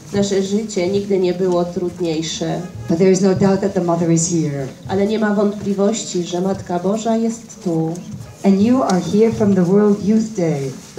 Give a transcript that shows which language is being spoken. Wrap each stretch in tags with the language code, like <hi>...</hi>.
<pl>Nasze życie nigdy nie było trudniejsze.</pl> <en>But there is no doubt that the Mother is here.</en> <pl>Ale nie ma wątpliwości, że Matka Boża jest tu.</pl> <en>And you are here from the World Youth Day.</en>